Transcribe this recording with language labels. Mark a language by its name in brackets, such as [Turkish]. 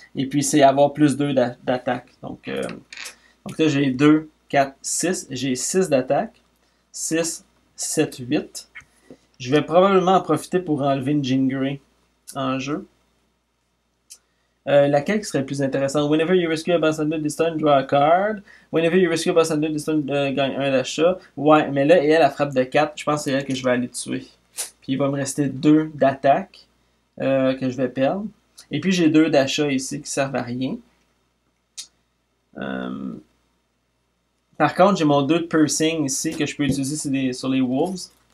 [French] Et puis c'est avoir plus deux d'attaque. Donc là j'ai 2, 4, 6. J'ai 6 d'attaque. 6, 7, 8. Je vais probablement en profiter pour enlever une Jean Grey en jeu. Laquelle qui serait la plus intéressante? [English] Whenever you rescue a boss under this turn, draw a card. Whenever you rescue a boss under this turn, [French] gagne un d'achat. Ouais, mais là, elle a frappe de 4. Je pense que c'est elle que je vais aller tuer. Puis il va me rester 2 d'attaque que je vais perdre. Et puis j'ai 2 d'achat ici qui servent à rien. Par contre, j'ai mon 2 de piercing ici que je peux utiliser sur les wolves.